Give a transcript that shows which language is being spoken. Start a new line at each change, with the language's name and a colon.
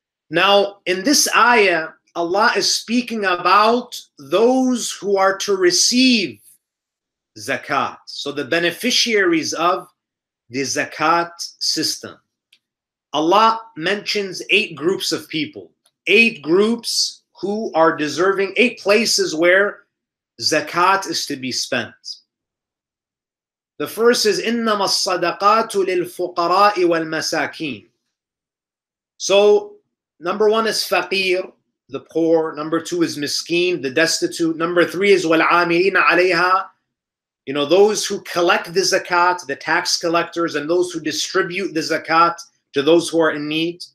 English: Now, in this ayah, Allah is speaking about those who are to receive zakat. So the beneficiaries of the zakat system. Allah mentions eight groups of people, eight groups who are deserving, eight places where zakat is to be spent. The first is,
Arabic: إِنَّمَا الصَّدَقَاتُ لِلْفُقَرَاءِ وَالْمَسَاكِينَ.
English: So, number one is faqir, the poor. Number two is miskeen, the destitute. Number three is
Arabic: وَالْعَامِلِينَ عَلَيْهَا.
English: You know, those who collect the zakat, the tax collectors, and those who distribute the zakat to those who are in need.